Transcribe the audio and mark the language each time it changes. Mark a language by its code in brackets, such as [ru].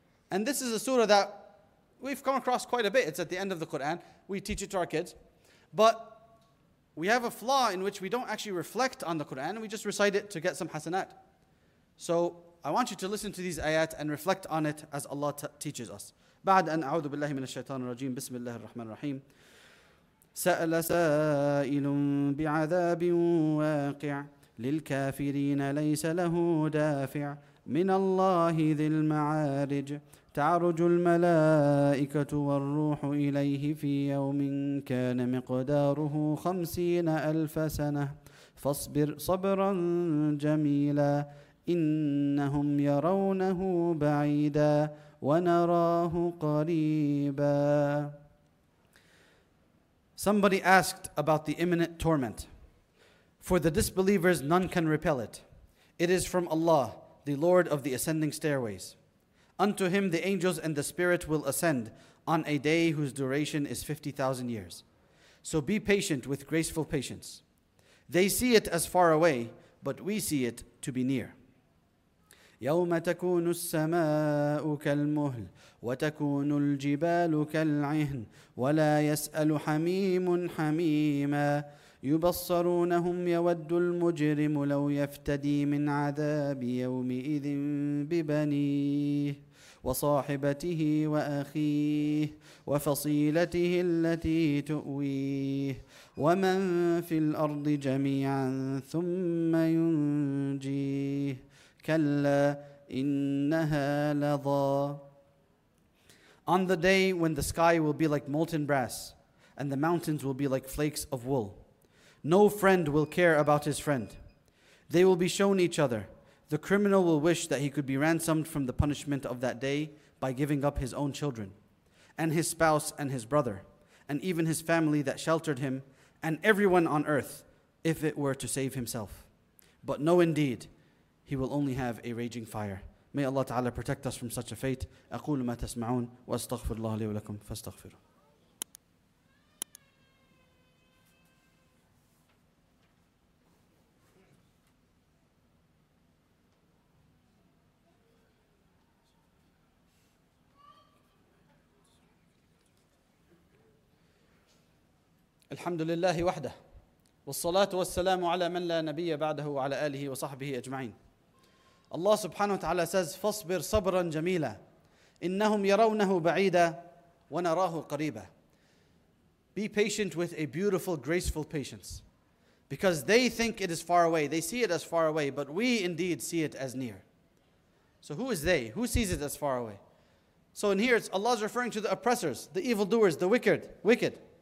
[en] And this is a surah that we've come across quite a bit. It's at the end of the Quran. We teach it to our kids. But we have a flaw in which we don't actually reflect on the Quran. We just recite it to get some hasanat. So I want you to listen to these ayat and reflect on it as Allah teaches us. [ar] بعد أن أعوذ بالله من الشيطان الرجيم بسم الله الرحمن الرحيم سأل سائل بعذاب واقع للكافرين ليس له دافع من الله ذي المعارج تعرج الملائكة والروح إليه في يوم كان مقداره 50,000 سنة فاصبر صبرا جميلا إنهم يرونه بعيدا ونراه قريبا. [en] Somebody asked about the imminent torment. For the disbelievers, none can repel it. It is from Allah, the Lord of the ascending stairways. Unto him the angels and the spirit will ascend on a day whose duration is 50,000 years. So be patient with graceful patience. They see it as far away, but we see it to be near. [ar] يوم تكون السماء كالمهل وتكون الجبال كالعهن ولا يسأل حميم حميما يبصرونهم يود المجرم لو يفتدي من عذاب يومئذ ببنيه وصاحبته وأخيه وفصيلته التي تؤويه ومن في الأرض جميعا ثم ينجيه كلا إنها لظى. [en] On the day when the sky will be like molten brass and the mountains will be like flakes of wool, no friend will care about his friend. They will be shown each other. The criminal will wish that he could be ransomed from the punishment of that day by giving up his own children. and his spouse and his brother, and even his family that sheltered him, and everyone on earth, if it were to save himself. But no, indeed, he will only have a raging fire. May Allah Ta'ala protect us from such a fate. [ar] أقول ما تسمعون واستغفر الله لي ولكم فاستغفروا. الحمد لله وحده والصلاة والسلام على من لا نبي بعده وعلى آله وصحبه أجمعين. Allah subhanahu wa ta'ala says, فَصْبِرْ صَبْرًا جَمِيلًا إِنَّهُمْ يَرَوْنَهُ بَعِيدًا وَنَرَاهُ قَرِيبًا. [en] Be patient with a beautiful, graceful patience. Because they think it is far away. They see it as far away, but we indeed see it as near. So who is they? Who sees it as far away? So in here, Allah is referring to the oppressors, the evildoers, the wicked.